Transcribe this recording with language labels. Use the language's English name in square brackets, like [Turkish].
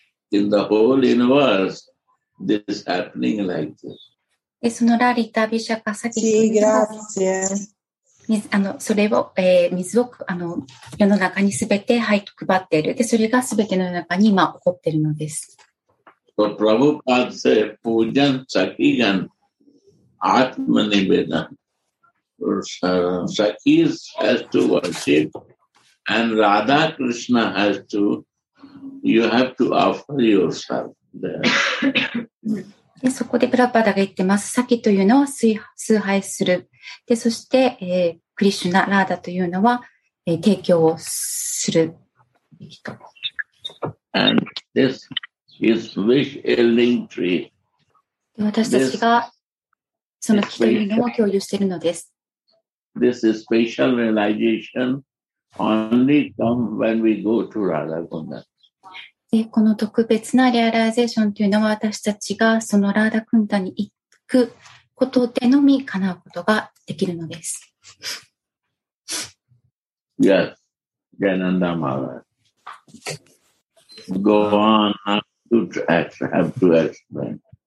[English] In the whole universe, this is happening like this. [Japanese] で、そのラリタ、ビシャカ、サキ、それを、水を世の中にすべて配っている。でそれがすべての世の中に今起こっているのです。 [English] So, Prabhupada said, Pujan Sakhigan Atmanivedan. Sakhi has to worship and Radha Krishna has to, you have to offer yourself there. [Japanese] でそこでプラパダが言ってます。サキというのは崇拝する。でそして、クリシュナ、ラーダというのは、提供をする。 [English] And this is wish ailing tree. [Japanese] 私たちがその木というのを共有しているのです。 [English] This is special realization only come when we go to Radha Kunda. [Japanese] でこの特別なリアライゼーションというのは私たちがそのラーダクンダに行くことでのみ叶うことができるのです。 [English] Yes, Jananda Maharaj. Go on, I have to explain.